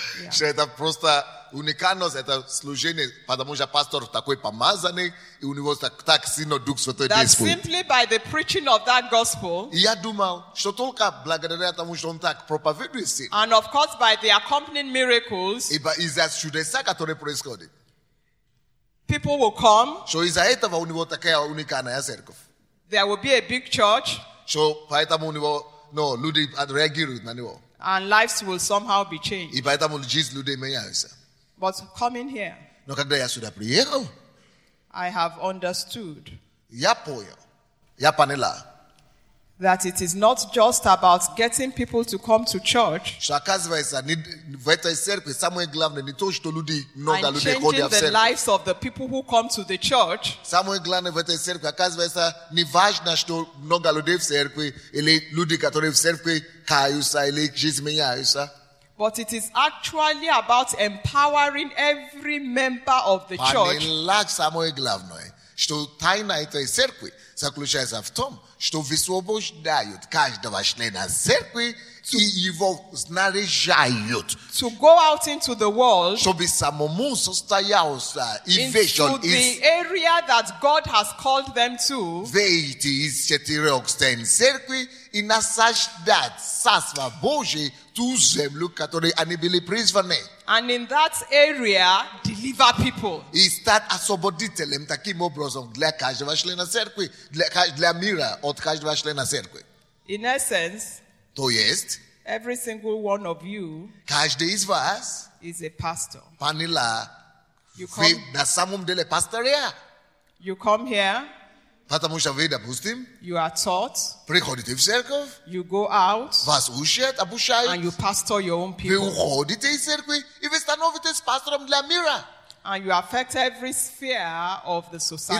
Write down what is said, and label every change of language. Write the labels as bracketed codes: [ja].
[ru] Что это просто уникальность это служение, потому что пастор такой помазанный, и у него так сильно Дух Святой действует. [en] That simply by the preaching of that gospel, [ru] я думал, что только благодаря тому, что он так проповедует сильно. [en] And of course by the accompanying miracles, [ru] ибо из-за чудеса, которые происходят, [en] people will come, [ru] что из-за этого у него такая уникальная церковь. [en] There will be a big church, [ru] что поэтому у него, но люди отреагируют на него. [en] And lives will somehow be changed. But coming here, [ru] но когда я сюда приехал, [en] I have understood, [ru] я понял, я поняла, [en] that it is not just about getting people to come to church, [ru] что оказывается, в этой церкви самое главное не то, что люди много людей ходят в церковь, [en] lives of the people who come to the church, [ru] самое главное в этой церкви оказывается не важно, что много людей в церкви или люди, которые в церкви каются или изменяются. [en] But it is actually about empowering every member of the church. [ru] Понимаешь, самое главное, что тайна этой церкви заключается в том, что высвобождают каждого члена церкви и его снаряжают. [en] To go out into the world, [ru] чтобы самому состоялся invasion [en] into the area that God has called them to. [ru] Выйти из четырех стен церкви и насаждать царство Божие ту землю, которой они были призваны. [en] And in that area, deliver people. [ru] И стать освободителем таким образом для каждого члена церкви, для мира от каждого члена церкви. [en] In essence, [ru] то есть, [en] every single one of you, [ru] каждый из вас, [en] is a pastor. [ru] Поняла, вы на самом деле пастория. [en] You come here, [ru] потому что вы, допустим, [en] you are taught, [ru] приходите в церковь, [en] you go out, [ru] вас учат, обучают, [en] and you pastor your own people. [ru] Вы уходите из церкви, и вы становитесь пастором для мира. [en] And you affect every sphere of the society.